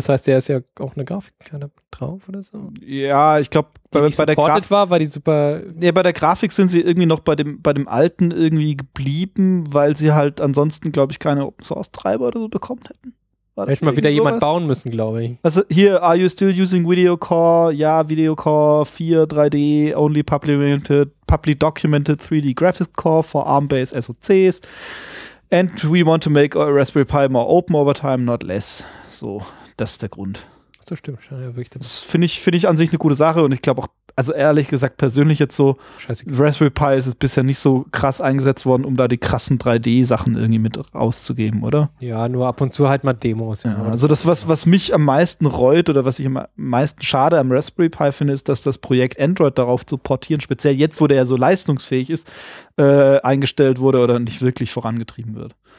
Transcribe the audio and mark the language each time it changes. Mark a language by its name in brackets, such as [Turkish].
[German] Das heißt, der ist ja auch eine Grafikkarte drauf oder so. Ja, ich glaube, bei der Grafik sind sie irgendwie noch bei dem alten irgendwie geblieben, weil sie halt ansonsten, glaube ich, keine Open-Source-Treiber oder so bekommen hätten. Hätte ich mal wieder jemand bauen müssen, glaube ich. Also hier, [English] are you still using Video Core? Ja, Video Core 4, 3D, only publicly documented 3D Graphics Core for ARM-based SoCs. And we want to make our Raspberry Pi more open over time, not less. [German] So, das ist der Grund. So stimmt schon, ja, wirklich. Das finde ich an sich eine gute Sache und ich glaube auch, also ehrlich gesagt, persönlich jetzt so, Raspberry Pi ist es bisher nicht so krass eingesetzt worden, um da die krassen 3D-Sachen irgendwie mit rauszugeben, oder? Ja, nur ab und zu halt mal Demos. Ja, also das, was mich am meisten reut oder was ich am meisten schade am Raspberry Pi finde, ist, dass das Projekt Android darauf zu portieren, speziell jetzt, wo der ja so leistungsfähig ist, eingestellt wurde oder nicht wirklich vorangetrieben wird.